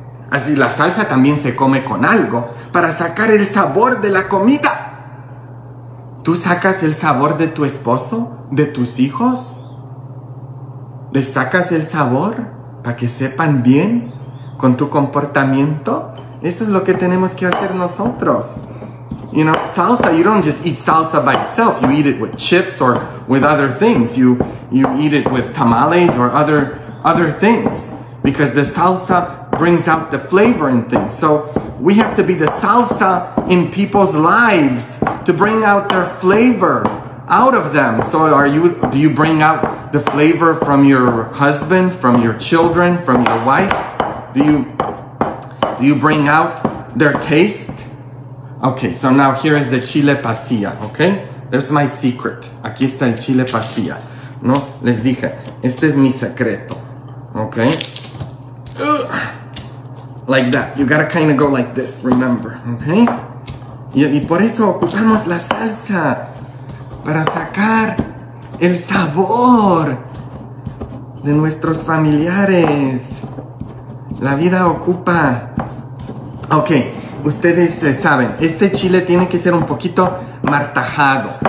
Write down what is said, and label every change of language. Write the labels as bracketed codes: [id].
[es] Así, la salsa también se come con algo, para sacar el sabor de la comida. ¿Tú sacas el sabor de tu esposo, de tus hijos? ¿Les sacas el sabor para que sepan bien con tu comportamiento? Eso es lo que tenemos que hacer nosotros. [en] You know, salsa, you don't just eat salsa by itself. You eat it with chips or with other things. You eat it with tamales or other things. Because the salsa brings out the flavor in things. So we have to be the salsa in people's lives to bring out their flavor out of them. So do you bring out the flavor from your husband, from your children, from your wife? Do you bring out their taste? Okay, so now here is the chile pasilla, okay? There's my secret. [es] Aquí está el chile pasilla, ¿no? Les dije, este es mi secreto, okay? Ugh. [en] Like that. You gotta kind of go like this, remember, okay? [es] Y por eso ocupamos la salsa, para sacar el sabor de nuestros familiares. La vida ocupa. Okay. Ustedes saben, este chile tiene que ser un poquito martajado.